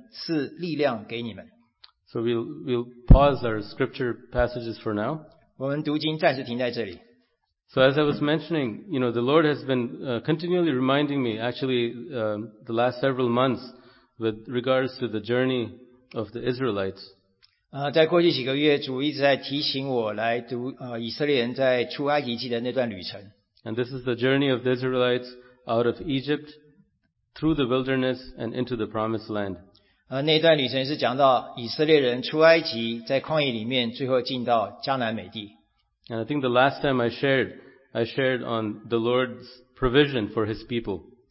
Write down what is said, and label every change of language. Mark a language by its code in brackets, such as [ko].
[zh] 那赐诸般恩典的神，曾在基督里召你们，得享他永远的荣耀。等你们战胜苦难之后，必要亲自成全你们，坚固你们，赐力量给你们。 [en] So we'll pause our scripture passages for now. [zh] 我们读经暂时停在这里。 [en] So as I was mentioning, you know, the Lord has been continually reminding me, actually, the last several months, with regards to the journey of the Israelites. [zh] 在过去几个月，主一直在提醒我来读以色列人在出埃及记的那段旅程。 [en] And this is the journey of the Israelites out of Egypt, through the wilderness, and into the Promised Land. [zh] 那段旅程是讲到以色列人出埃及，在旷野里面，最后进到迦南美地。 [en] And I think the last time I shared on the Lord's provision for His people.